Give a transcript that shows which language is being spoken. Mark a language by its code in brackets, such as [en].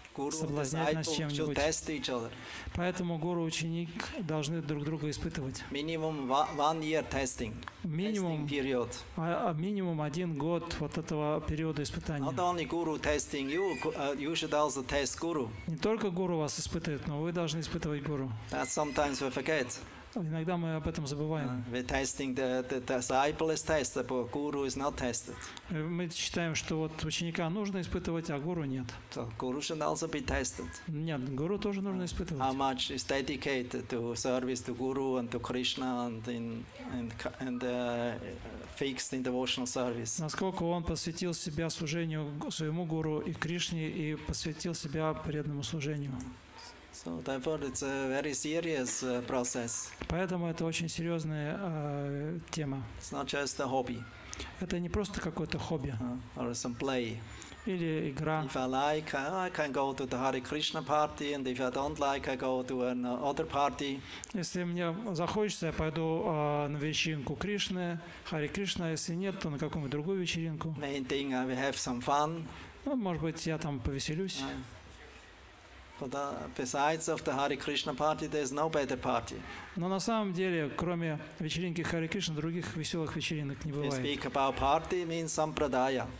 [ru] Соблазнять нас чем-нибудь. Поэтому гуру и ученик должны друг друга испытывать. [en] Minimum one year testing. [ru] Минимум период. Минимум один год вот этого периода испытания. [en] Not only guru testing you, you should also test guru. [ru] Не только гуру вас испытывает, но вы должны испытывать гуру. [en] That sometimes we forget. [ru] Иногда мы об этом забываем. [en] We testing the disciple is tested, but guru is not tested. [ru] Мы считаем, что вот ученика нужно испытывать, а гуру нет. [en] So guru should also be tested. [ru] Нет, гуру тоже нужно испытывать. [en] How much is dedicated to service to guru and to Krishna and fixed in devotional service. [ru] Насколько он посвятил себя служению своему гуру и Кришне и посвятил себя преданному служению. [en] So therefore, it's a very serious process. [ru] Поэтому это очень серьезная тема. [en] It's not just a hobby. [ru] Это не просто какое-то хобби. [en] Or some play. [ru] Или игра. [en] If I like, I can go to the Hare Krishna party, and if I don't like, I go to another party. [ru] Если мне захочется, я пойду на вечеринку Кришны, Харе Кришна. Если нет, то на какую-нибудь другую вечеринку. [en] Main thing, we have some fun. [ru] Ну, может быть, я там повеселюсь. [en] But besides of the Hare Krishna party, there is no better party. [ru] Но на самом деле, кроме вечеринки Харе Кришна, других веселых вечеринок не бывает. [en] If we speak about party, it means sampradaya.